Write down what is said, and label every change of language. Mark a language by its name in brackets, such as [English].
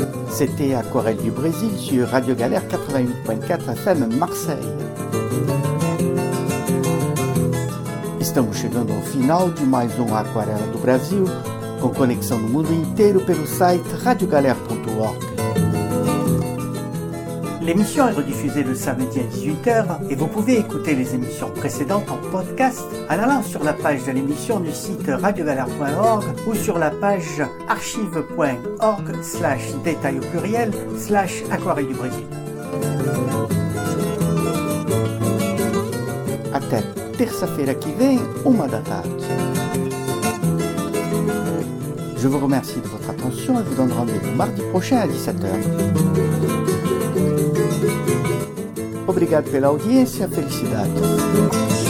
[French] C'était Aquarelle du Brésil sur Radio Galère 88.4 FM Marseille. [Portuguese] Estamos chegando ao final de mais Aquarela do Brasil, com conexão no mundo inteiro pelo site radiogalère.org. [French] L'émission est rediffusée le samedi à 18h et vous pouvez écouter les émissions précédentes en podcast en allant sur la page de l'émission du site radiogalère.org ou sur la page archive.org/détail au pluriel/aquarelle du Brésil. [Portuguese] Até terça-feira que vem, uma da tarde. [French] Je vous remercie de votre attention et vous donne rendez-vous mardi prochain à 17h. [Portuguese] Obrigado pela audiência, felicidade.